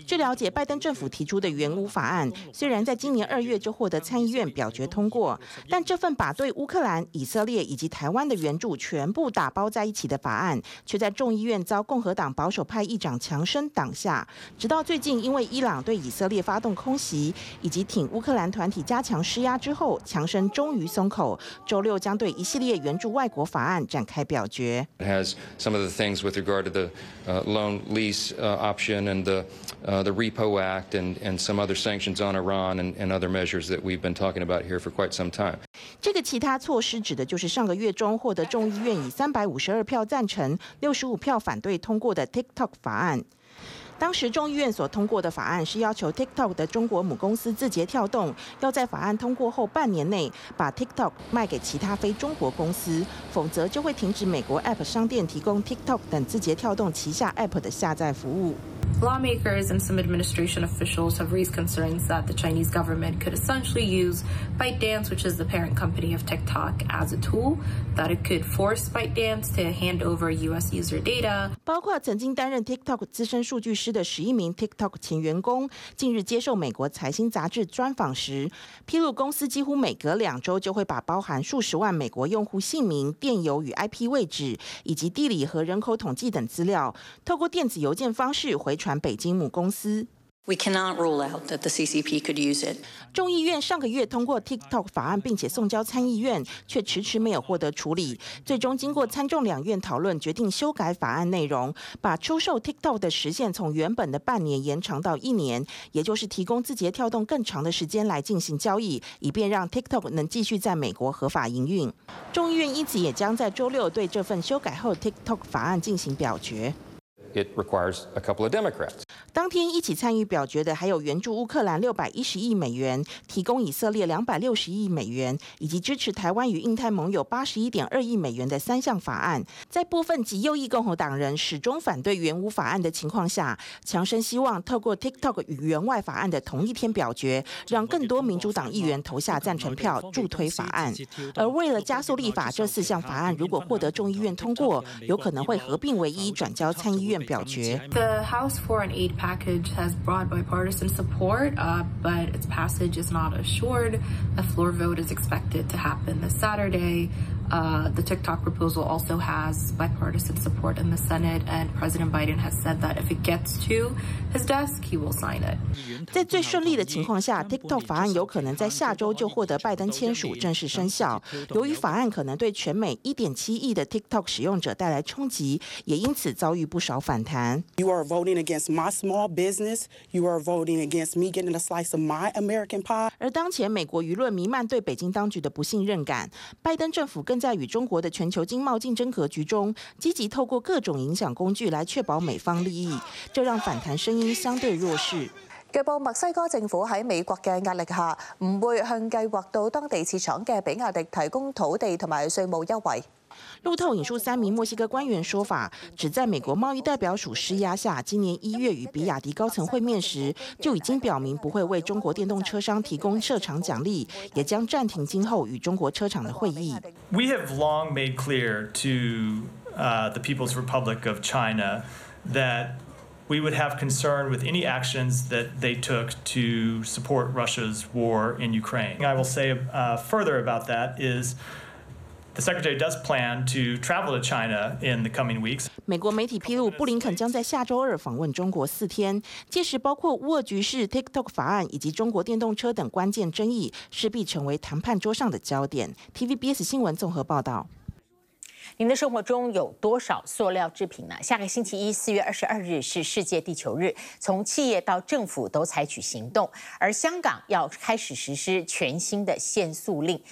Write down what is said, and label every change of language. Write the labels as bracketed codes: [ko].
[zh] 据了解，拜登政府提出的援乌法案虽然在今年二月就获得参议院表决通过，但这份把对乌克兰、以色列以及台湾的援助全部打包在一起的法案，却在众议院遭共和党保守派议长强生挡下。直到最近，因为伊朗对以色列发动空袭以及挺乌克兰团体加强施压之后，强生终于松口，周六将对一系列援助外国法案展开表决。 [en] It has some of the things with regard to the loan lease. Option and the Repo Act and some other sanctions on Iran and other measures that we've been talking about here for quite some time. [zh] 这个其他措施指的就是上个月中获得众议院以352票赞成、65票反对通过的 TikTok 法案。当时众议院所通过的法案是要求 TikTok 的中国母公司字节跳动要在法案通过后半年内把 TikTok 卖给其他非中国公司，否则就会停止美国 App 商店提供 TikTok 等字节跳动旗下 App 的下载服务。 [en] Lawmakers and some administration officials have raised concerns that the Chinese government could essentially use ByteDance, which is the parent company of TikTok, as a tool that it could force ByteDance to hand over U.S. user data. [zh] 包括曾经担任 TikTok 资深数据师的11名 TikTok 前员工，近日接受美国财经杂志专访时，披露公司几乎每隔2周就会把包含数十万美国用户姓名、电邮与 IP 位置，以及地理和人口统计等资料，透过电子邮件方式回。 [en] We cannot rule out that the CCP could use it. [zh] 众议院上个月通过 TikTok 法案，并且送交参议院，却迟迟没有获得处理。最终经过参众两院讨论，决定修改法案内容，把出售 TikTok 的时限从原本的半年延长到1年，也就是提供字节跳动更长的时间来进行交易，以便让 TikTok 能继续在美国合法营运。众议院因此也将在周六对这份修改后 TikTok 法案进行表决。 [en] It requires a couple of Democrats. [zh] 当天一起参与表决的还有援助乌克兰610亿美元、提供以色列260亿美元以及支持台湾与印太盟友81.2亿美元的3项法案。在部分极右翼共和党人始终反对援乌法案的情况下，强生希望透过 TikTok 与援外法案的同一天表决，让更多民主党议员投下赞成票，助推法案。而为了加速立法，这4项法案如果获得众议院通过，有可能会合并为一，转交参议院。 [en] The House Foreign Aid Package has broad bipartisan support, but its passage is not assured. A floor vote is expected to happen this Saturday. The TikTok proposal also has bipartisan support in the Senate, and President Biden has said that if it gets to his desk, he will sign it. [zh] 在最顺利的情况下 ，TikTok 法案有可能在下周就获得拜登签署正式生效。由于法案可能对全美1.7亿的 TikTok 使用者带来冲击，也因此遭遇不少反弹。 [en] You are voting against my small business. You are voting against me getting a slice of my American pie. [zh] 而当前美国舆论弥漫对北京当局的不信任感，拜登政府。更在与中国的全球经贸竞争格局中，积极透过各种影响工具来确保美方利益，这让反弹声音相对弱势。据报，墨西哥政府在美国的压力下，不会向计划到当地设厂的比亚迪提供土地和税务优惠。路透引述3名墨西哥官员说法，指在美国贸易代表署施压下，今年1月与比亚迪高层会面时，就已经表明不会为中国电动车商提供设厂奖励，也将暂停今后与中国车厂的会议。 [en] We have long made clear to the People's Republic of China that we would have concern with any actions that they took to support Russia's war in Ukraine. I will say further about that is. The secretary does plan to travel to China in the coming weeks. [zh] 美国媒体披露，布林肯将在下周二访问中国4天，届时包括乌俄局势、TikTok 法案以及中国电动车等关键争议，势必成为谈判桌上的焦点。 TVBS 新闻综合报道。您的生活中有多少塑料制品呢？下个星期一4月22日是世界地球日，从企业到政府都采取行动，而香港要开始实施全新的限塑令。